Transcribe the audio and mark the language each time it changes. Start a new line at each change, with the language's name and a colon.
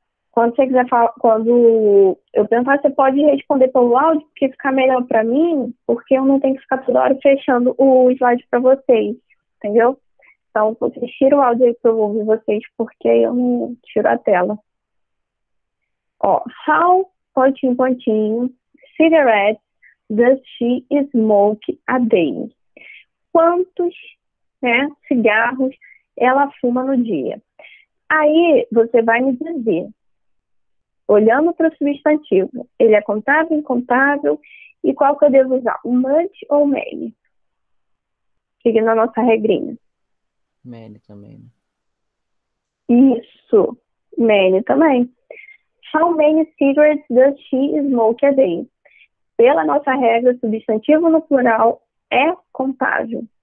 Portuguese: Quando você quiser falar, quando eu perguntar, você pode responder pelo áudio, porque fica melhor para mim, porque eu não tenho que ficar toda hora fechando o slide para vocês, entendeu? Então, vocês tiram o áudio aí para eu ouvir vocês, porque aí eu não tiro a tela.
English: Ó, how,
Portuguese: pontinho, pontinho,
English: cigarettes does she smoke a day?
Portuguese: Quantos, né, cigarros ela fuma no dia? Aí você vai me dizer, olhando para o substantivo, ele é contável, incontável, e qual que eu devo usar, o much ou o many? Seguindo a nossa regrinha. Mene também, né? Isso, many também.
English: How many cigarettes does she smoke a day?
Portuguese: Pela nossa regra, substantivo no plural é contável.